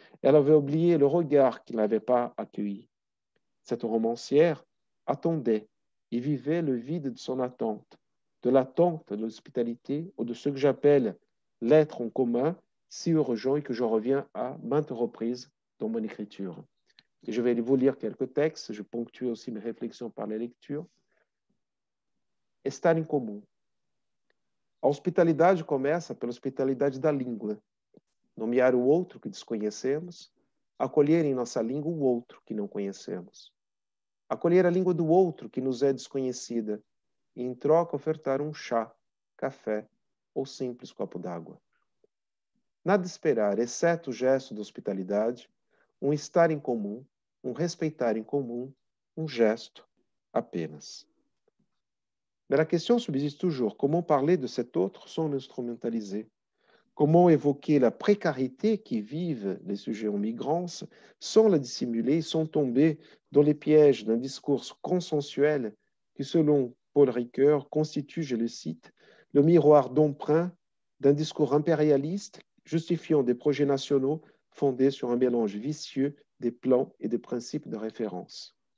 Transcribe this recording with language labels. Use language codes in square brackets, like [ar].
[fr] Elle avait oublié le regard qui ne l'avait pas accueillie. Cette romancière attendait et vivait le vide de son attente, de l'attente de l'hospitalité ou de ce que j'appelle l'être en commun, si urgent et que je reviens à maintes reprises dans mon écriture. Et je vais vous lire quelques textes, je ponctue aussi mes réflexions par la lecture. [pt] Estar em comum. A hospitalidade começa pela hospitalidade da língua. Nomear o outro que desconhecemos, acolher em nossa língua o outro que não conhecemos. Acolher a língua do outro que nos é desconhecida e, em troca, ofertar um chá, café ou simples copo d'água. Nada esperar, exceto o gesto da hospitalidade, um estar em comum, um respeitar em comum, um gesto apenas. Mas a questão subsiste [fr] toujours. [pt] Como [fr] parler de cet autre sans l'instrumentaliser? Como évoquer la précarité que vivent les sujets en migrance sans la dissimuler, sans tomber dans les pièges d'un discours consensuel qui, selon Paul Ricoeur, constitue, je le cite, le miroir d'emprunt d'un discours impérialiste justifiant des projets nationaux fondés sur un mélange vicieux des plans et des principes de référence.